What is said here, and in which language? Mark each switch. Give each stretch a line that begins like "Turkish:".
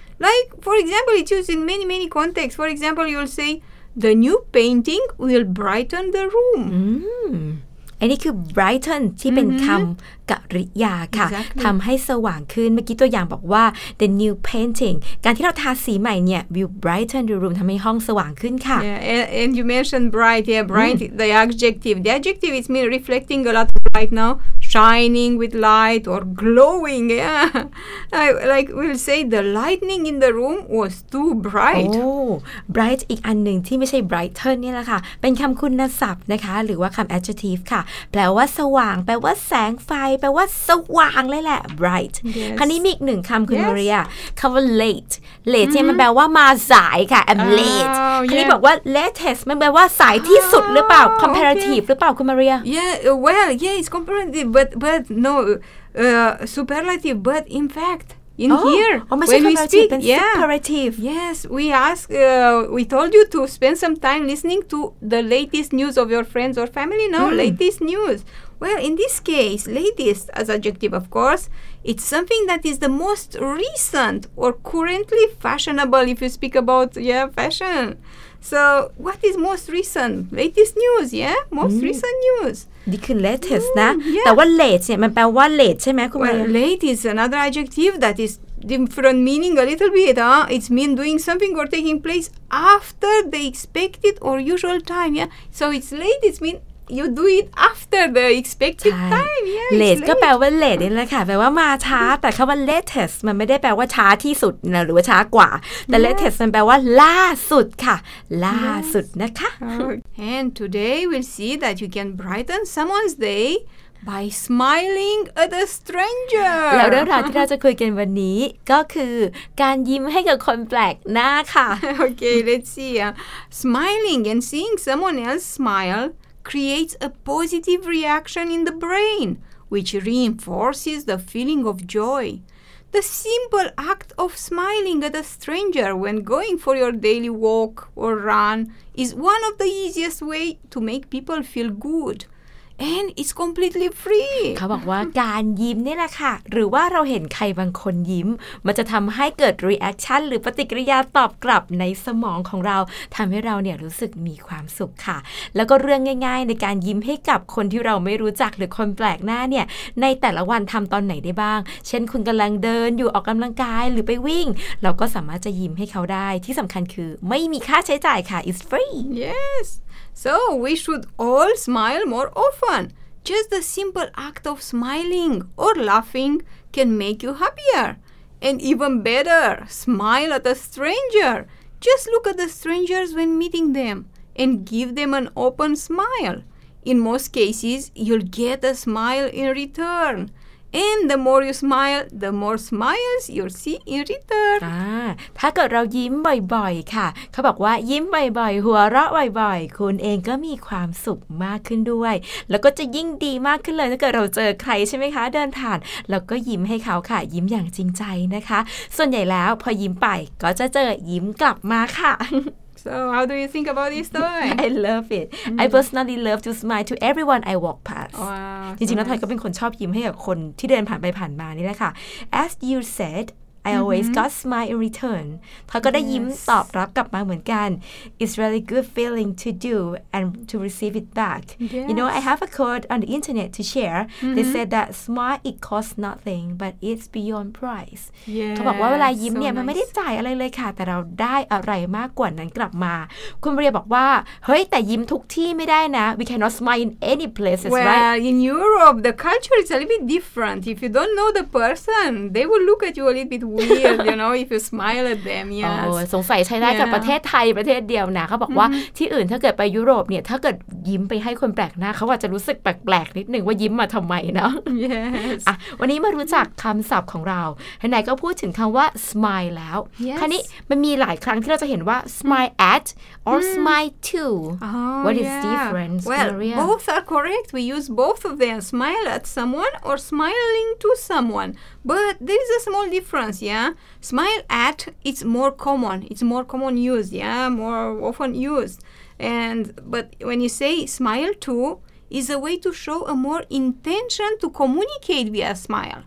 English: Like, for example, it's used in many, many contexts. For example, you'll say, the new painting will brighten the room.
Thai: อันนี้คือ brighten ที่ mm-hmm. เป็นคำกริยาค่ะ
English: exactly.
Thai: ทำให้สว่างขึ้นเมื่อกี้ตัวอย่างบอกว่า
English: the new painting
Thai: การที่เราทาสีใหม่เนี่ย
English: will brighten the room
Thai: ทำให้ห้องสว่างขึ้นค่ะ
English: yeah. and you mentioned bright yeah bright mm. the adjective it means reflecting a lot of light now shining with light or glowing yeah like we'll say the lightning in the room was too bright
Thai: bright อีกอันหนึ่งที่ไม่ใช่ brighten นี่แหละค่ะเป็นคำคุณศัพท์นะคะหรือว่าคำ adjectiveแปลว่าสว่างแปลว่าแสงไฟแปลว่าสว่างเลยแหละ bright
English: yes.
Thai: คราวนี้มีอีกหนึ่งคำคุณมาเรียคำว่า late ที่มันแปลว่ามาสายค่ะ
English: I'm late
Thai: คราวนี้บอกว่า latest มันแปลว่าสายที่สุดหรือเปล่า comparative หรือเปล่าคุณมาเรีย
English: yeah well yeah it's comparative but no superlative but in fact in here. Almost when superlative. We speak, superlative. Yes, we ask, we told you to spend some time listening to the latest news of your friends or family. No, latest news. Well, in this case, latest as adjective, of course, it's something that is the most recent or currently fashionable if you speak about, fashion. So, what is most recent? Latest news, Most recent news. You can let us know. But what late? Late is another adjective that is different meaning a little bit. It's mean doing something or taking place after the expected or usual time. So, it's late. It's mean you do it after the expected time.
Thai: Late ก็แปลว่า late นี่แหละค่ะแปลว่ามาช้าแต่คำว่า latest มันไม่ได้แปลว่าช้าที่สุดนะหรือว่าช้ากว่าแต่ latest มันแปลว่าล่าสุดค่ะล่าสุดนะคะ
English: And today we'll see that you can brighten someone's day by smiling at a stranger.
Thai: แล้วเรื่องราวที่เราจะคุยกันวันนี้ก็คือการยิ้มให้กับคนแปลกหน้าค่ะ
English: Okay, let's see. Smiling and seeing someone else smile. Creates a positive reaction in the brain, which reinforces the feeling of joy. The simple act of smiling at a stranger when going for your daily walk or run is one of the easiest ways to make people feel good. And it's completely free.
Thai: เขาบอกว่าการยิ้มนี่แหละค่ะหรือว่าเราเห็นใครบางคนยิ้มมันจะทำให้เกิด reaction หรือปฏิกิริยาตอบกลับในสมองของเราทำให้เราเนี่ยรู้สึกมีความสุขค่ะแล้วก็เรื่องง่ายๆในการยิ้มให้กับคนที่เราไม่รู้จักหรือคนแปลกหน้าเนี่ยในแต่ละวันทำตอนไหนได้บ้างเช่นคุณกำลังเดินอยู่ออกกำลังกายหรือไปวิ่งเราก็สามารถจะยิ้มให้เขาได้ที่สำคัญคือไม่มีค่าใช้จ่ายค่ะ
English: it's free yesSo we should all smile more often. Just the simple act of smiling or laughing can make you happier. And even better, smile at a stranger. Just look at the strangers when meeting them and give them an open smile. In most cases, you'll get a smile in return. And the more you smile, the more smiles you'll see in return.
Thai: ถ้าเกิดเรายิ้มบ่อยๆค่ะเขาบอกว่ายิ้มบ่อยๆหัวเราะบ่อยๆคุณเองก็มีความสุขมากขึ้นด้วยแล้วก็จะยิ่งดีมากขึ้นเลยถ้าเกิดเราเจอใครใช่ไหมคะเดินผ่านเราก็ยิ้มให้เขาค่ะยิ้มอย่างจริงใจนะคะส่วนใหญ่แล้วพอยิ้มไปก็จะเจอยิ้มกลับมาค่ะ
English: So, how do you think about this story? I love it. I personally love to smile to everyone I walk past. Wow.
Thai: จริงๆแล้วทอยก็เป็นคนชอบยิ้มให้กับคนที่เดินผ่านไปผ่านมานี่แหละค่ะ
English: As you said, I always got smile in return.
Thai: ทอยก็ได้ยิ้มตอบรับกลับมาเหมือนกัน
English: It's really good feeling to do and to receive it back. Yes. You know, I have a quote on the internet to share. Mm-hmm. They said that smile, it costs nothing, but it's beyond price. Yes.
Thai: เขาบอกว่าเวลายิ้มเนี่ยมันไม่ได้จ่ายอะไรเลยค่ะแต่เราได้อะไรมากกว่านั้นกลับมาคุณเรียบอกว่าเฮ้ยแต่ยิ้มทุกที่ไม่ได้นะ
English: We cannot smile in any places, right? Well, in Europe, the culture is a little bit different. If you don't know the person, they will look at you a little bit weird. Weird, you know, if you smile at them, yes. สงสัยใช้ได้กับประเทศไทยประเทศเดียวนะเขาบอกว่าที่อื่นถ้าเกิดไปยุโรปเนี่ยถ้าเกิดยิ้มไปให้คนแปลกหน้าเขาอาจจะรู้สึกแปลกๆนิดนึงว่ายิ้มมาทำไมเนาะ Yes.
Thai: อ่ะวันนี้มารู้จักคำศัพท์ของเราไหนๆก็พูดถึงคำว่า smile แล้ว
English: Yes.
Thai: คราวนี้มันมีหลายครั้งที่เราจะเห็นว่า
English: smile at or smile to. Oh, What is yeah. difference, well, Maria? Well, both are correct. We use both of them. Smile at someone or smiling to someone. But there is a small difference. Yeah, smile at it's more common. It's more common used. Yeah, more often used. And but when you say smile to, is a way to show a more intention to communicate via smile.